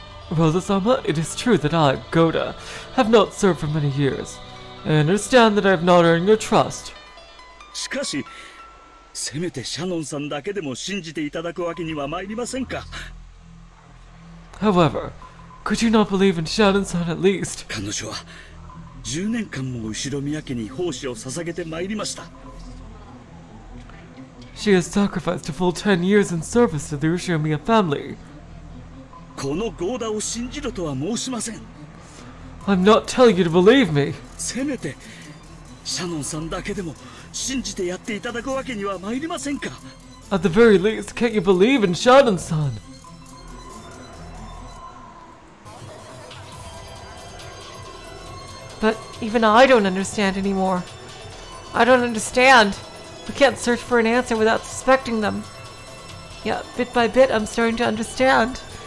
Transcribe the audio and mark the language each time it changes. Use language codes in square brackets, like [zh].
[en] Rosa-sama, it is true that I, Goda, have not served for many years. I understand that I have not earned your trust. [ja] しかし、せめてシャノンさんだけでも信じていただくわけには参りませんか。 [en] However, could you not believe in Shannon-san at least? [ja] 彼女は10年間も後ろ宮家に奉仕を捧げて参りました。 [en] She has sacrificed a full 10 years in service to the Ushirimiya family. [ja] このゴーダを信じろとは申しません。 [en] I'm not telling you to believe me. [ja] せめてシャノンさんだけでも信じてやっていただくわけには参りませんか。 [en] At the very least, can't you believe in Shannon-san? But even I don't understand anymore. I don't understand. We can't search for an answer without suspecting them. Yet, bit by bit, I'm starting to understand.